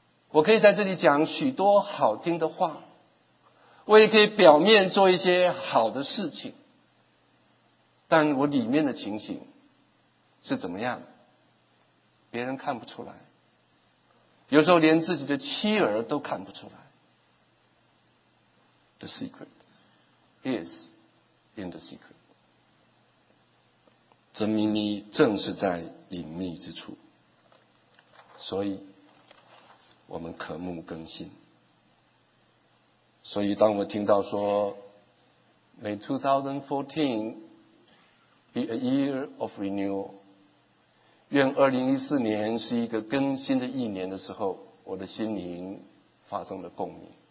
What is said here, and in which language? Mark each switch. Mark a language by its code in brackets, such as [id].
[zh] 我可以在这里讲许多好听的话，我也可以表面做一些好的事情，但我里面的情形是怎么样，别人看不出来，有时候连自己的妻儿都看不出来。 [en] The secret is in the secret. [zh] 真秘密正是在隐秘之处，所以我们渴慕更新。所以当我听到说 May 2014 be a year of renewal，愿2014年是一个更新的一年的时候，我的心灵发生了共鸣。